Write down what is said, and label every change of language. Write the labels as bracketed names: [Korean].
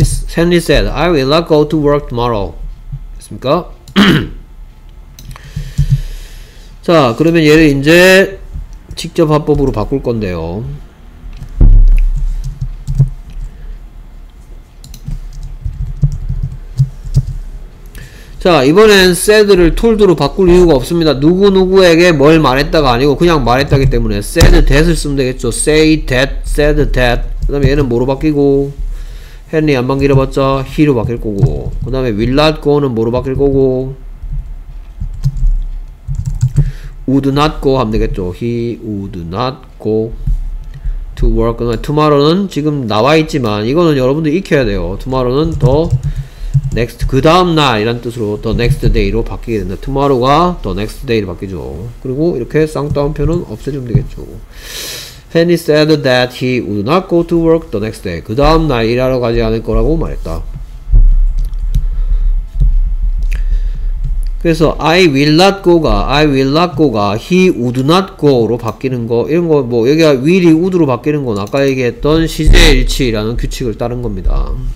[English] Henry said I will not go to work tomorrow 됐습니까? [Korean] 자 그러면 얘를 이제 직접 합법으로 바꿀 건데요. 자 이번엔 said를 told로 바꿀 이유가 없습니다. 누구누구에게 뭘 말했다가 아니고 그냥 말했다기 때문에 said that을 쓰면 되겠죠. [English] say that, said that [Korean] 그 다음에 얘는 뭐로 바뀌고 헨리 안만 길어봤자 he로 바뀔 거고 그 다음에 will not go는 뭐로 바뀔 거고 [English] would not go [Korean] 하면 되겠죠. [English] he would not go to work on. [Korean] tomorrow는 지금 나와 있지만 이거는 여러분들 익혀야 돼요. tomorrow는 더 next 그 다음 날이란 뜻으로 [English] the next day [Korean] 로 바뀌게 된다. tomorrow가 the next day로 바뀌죠. 그리고 이렇게 쌍따옴표는 없애주면 되겠죠. [English] Penny said that he would not go to work the next day. [Korean] 그 다음 날 일하러 가지 않을 거라고 말했다. 그래서 I will not go가 I will not go가 he would not go로 바뀌는 거 이런 거 뭐 여기가 will이 would로 바뀌는 건 아까 얘기했던 시제일치라는 규칙을 따른 겁니다.